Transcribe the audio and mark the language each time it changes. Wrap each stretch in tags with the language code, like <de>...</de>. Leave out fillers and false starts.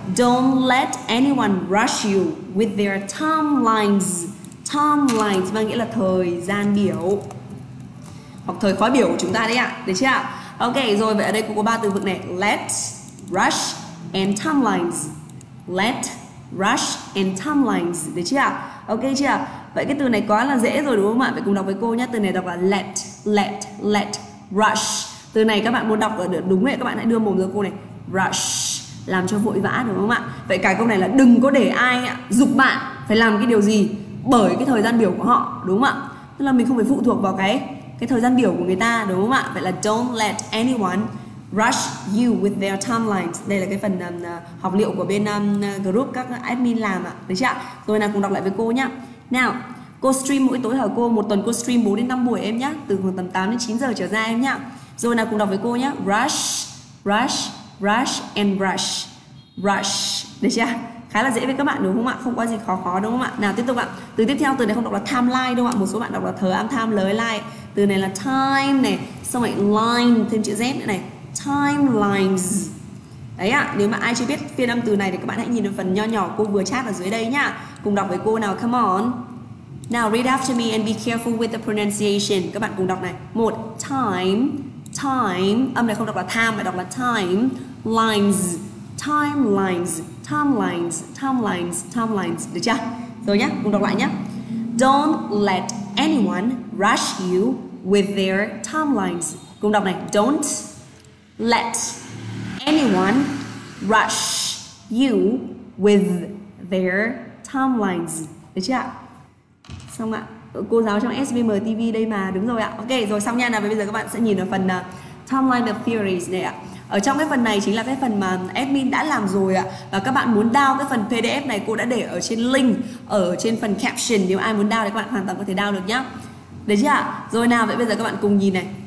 <en>Don't let anyone rush you with their timelines.</en> <vi>Timelines mang nghĩa là thời gian biểu hoặc thời khóa biểu của chúng ta đấy ạ. Được chưa ạ? Ok, rồi vậy ở đây cũng có ba từ vựng này.</vi> <en>Let, rush and timelines. Let, rush and timelines.</en> <vi>Được chưa ạ? Ok chưa? Vậy cái từ này quá là dễ rồi đúng không ạ? Vậy cùng đọc với cô nhé. Từ này đọc là let, let, let, rush. Từ này các bạn muốn đọc được đúng vậy, các bạn hãy đưa mồm ra cô này. Rush, làm cho vội vã đúng không ạ? Vậy cái câu này là đừng có để ai dục bạn phải làm cái điều gì bởi cái thời gian biểu của họ, đúng không ạ? Tức là mình không phải phụ thuộc vào cái thời gian biểu của người ta, đúng không ạ? Vậy là</vi> <en>don't let anyone rush you with their timelines.</en> <vi>Đây là cái phần học liệu của bên group các admin làm ạ, được chưa ạ? Rồi nào cùng đọc lại với cô nhá. Nào, cô stream mỗi tối hỏi cô, một tuần cô stream 4 đến 5 buổi em nhá, từ khoảng tầm 8 đến 9 giờ trở ra em nhá. Rồi nào cùng đọc với cô nhá.</vi> <en>Rush, rush, rush and rush.</en> <vi>Rush, được chưa? Khá là dễ với các bạn đúng không ạ? Không có gì khó khó đúng không ạ? Nào tiếp tục ạ. Từ tiếp theo, từ này không đọc là timeline đâu ạ. Một số bạn đọc là thời âm time lời line. Từ này là time này, xong lại line thêm chữ Z nữa này. Timelines. Đấy ạ, nếu mà ai chưa biết phiên âm từ này thì các bạn hãy nhìn vào phần nho nhỏ cô vừa chat ở dưới đây nhá. Cùng đọc với cô nào,</vi> <en>come on. Now read after me and be careful with the pronunciation.</en> <vi>Các bạn cùng đọc này. Một, time, time. Âm này không đọc là time mà đọc là time.</vi> <en>Lines, time lines, time lines, time lines, time lines.</en> <vi>Được chưa? Rồi nhá, cùng đọc lại nhá.</vi> <en>Don't let anyone rush you with their timelines.</en> <vi>Cùng đọc này.</vi> <en>Don't let anyone rush you with their timelines.</en> <vi>Được chưa ạ? Xong ạ. Cô giáo trong SBM TV đây mà. Đúng rồi ạ. Ok, rồi xong nha. Nào, bây giờ các bạn sẽ nhìn ở phần timeline of theories này ạ. Ở trong cái phần này chính là cái phần mà admin đã làm rồi ạ. Và các bạn muốn download cái phần PDF này, cô đã để ở trên link ở trên phần caption. Nếu ai muốn download thì các bạn hoàn toàn có thể download được nhá. Được chưa ạ? Rồi nào, vậy bây giờ các bạn cùng nhìn này.</vi>